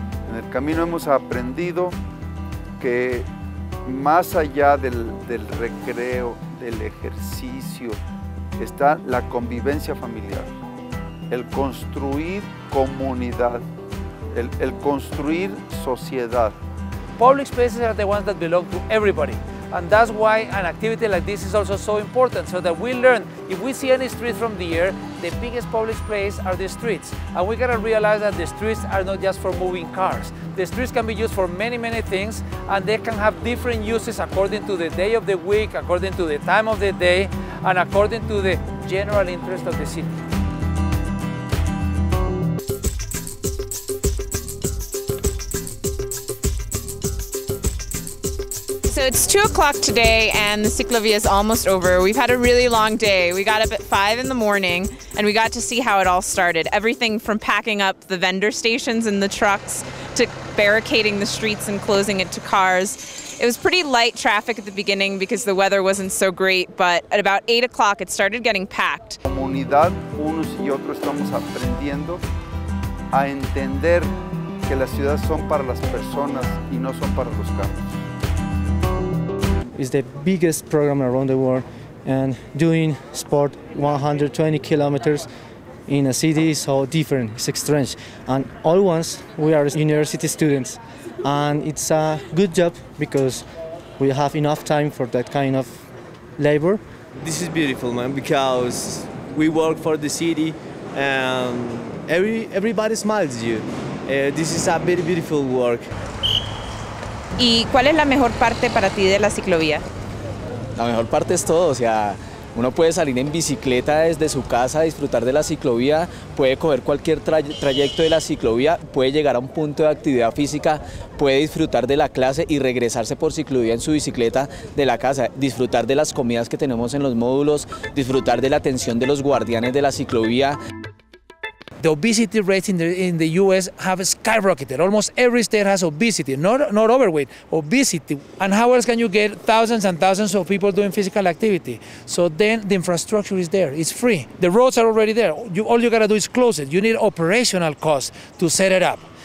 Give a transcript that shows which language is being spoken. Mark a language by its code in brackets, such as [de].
[es] En el camino hemos aprendido que más allá del recreo, del ejercicio, está la convivencia familiar, el construir comunidad, el construir sociedad. [en] Public spaces are the ones that belong to everybody. And that's why an activity like this is also so important, so that we learn, if we see any street from the air, the biggest public place are the streets. And we gotta realize that the streets are not just for moving cars. The streets can be used for many, many things, and they can have different uses according to the day of the week, according to the time of the day, and according to the general interest of the city. So it's 2 o'clock today and the Ciclovía is almost over. We've had a really long day. We got up at 5 a.m. and we got to see how it all started. Everything from packing up the vendor stations in the trucks to barricading the streets and closing it to cars. It was pretty light traffic at the beginning because the weather wasn't so great, but at about 8 o'clock it started getting packed. [es] Comunidad, unos y otros estamos aprendiendo a entender que las ciudades son para las personas y no son para los carros. [en] Is the biggest program around the world, and doing sport 120 kilometers in a city is so different, it's strange. And all once, we are university students, and it's a good job because we have enough time for that kind of labor. This is beautiful, man, because we work for the city, and everybody smiles at you. This is a very beautiful work. [es] ¿Y cuál es la mejor parte para ti de la ciclovía? La mejor parte es todo, o sea, uno puede salir en bicicleta desde su casa a disfrutar de la ciclovía, puede coger cualquier trayecto de la ciclovía, puede llegar a un punto de actividad física, puede disfrutar de la clase y regresarse por ciclovía en su bicicleta de la casa, disfrutar de las comidas que tenemos en los módulos, disfrutar de la atención de los guardianes de la ciclovía. [en] The obesity rates in the U.S. have skyrocketed. Almost every state has obesity, not overweight, obesity. And how else can you get thousands and thousands of people doing physical activity? So then the infrastructure is there. It's free. The roads are already there. All you got to do is close it. You need operational costs to set it up.